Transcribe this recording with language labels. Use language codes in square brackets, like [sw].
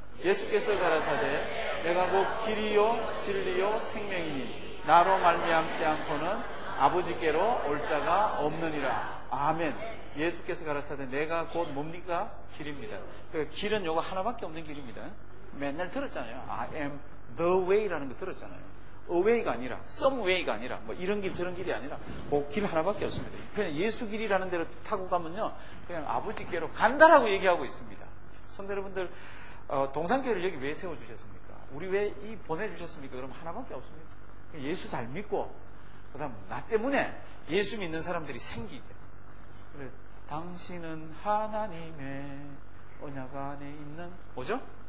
[ko] 예수께서 가라사대 내가 곧 길이요 진리요 생명이니 나로 말미암지 않고는 아버지께로 올 자가 없느니라. 아멘. 예수께서 가라사대 내가 곧 뭡니까? 길입니다. 그 길은 요거 하나밖에 없는 길입니다. 맨날 들었잖아요. [en] I am the way [ko] 라는 거 들었잖아요. away가 아니라 some way가 아니라 뭐 이런 길 저런 길이 아니라 그길 하나밖에 없습니다. 그냥 예수 길이라는 대로 타고 가면요 그냥 아버지께로 간다라고 얘기하고 있습니다. 성대 여러분들 동산교회를 여기 왜 세워주셨습니까? 우리 왜 이 보내주셨습니까? 그럼 하나밖에 없습니다. 예수 잘 믿고 그 다음 나 때문에 예수 믿는 사람들이 생기게 그래, 당신은 하나님의 언약 안에 있는 뭐죠?